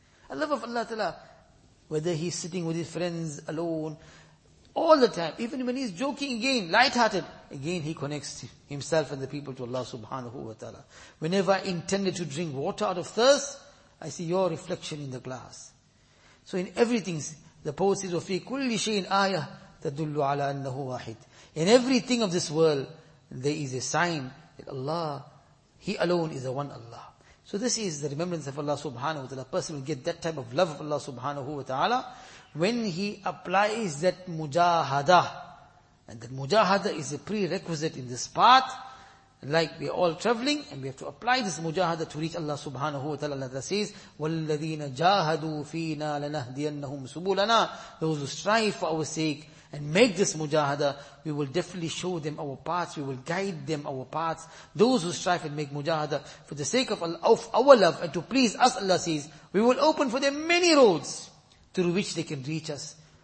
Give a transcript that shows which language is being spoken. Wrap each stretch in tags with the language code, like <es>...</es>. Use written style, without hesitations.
<en>The love of Allah ta'ala, whether he's sitting with his friends alone, all the time, even when he's joking again, light-hearted, again he connects himself and the people to Allah subhanahu wa ta'ala. Whenever I intended to drink water out of thirst, I see your reflection in the glass. So in everything, the poet says,</en> <ar>وَفِي كُلِّ شَيْءٍ آيَةٍ تَدُلُّ عَلَىٰ أَنَّهُ وَاحِدٍ.</ar> <en>In everything of this world, there is a sign that Allah, He alone is the one Allah. So this is the remembrance of Allah subhanahu wa ta'ala. A person will get that type of love of Allah subhanahu wa ta'ala when he applies that mujahada. And that mujahada is a prerequisite in this path. Like we are all traveling and we have to apply this mujahada to reach Allah subhanahu wa ta'ala. Allah says,</en> <ar>وَالَّذِينَ جَاهَدُوا فِينَا لَنَهْدِيَنَّهُمْ سُبُولَنَا.</ar> <en>Those who strive for our sake and make this mujahada, we will definitely show them our paths, we will guide them our paths. Those who strive and make mujahada for the sake of Allah, of our love and to please us, Allah says, we will open for them many roads through which they can reach us.</en>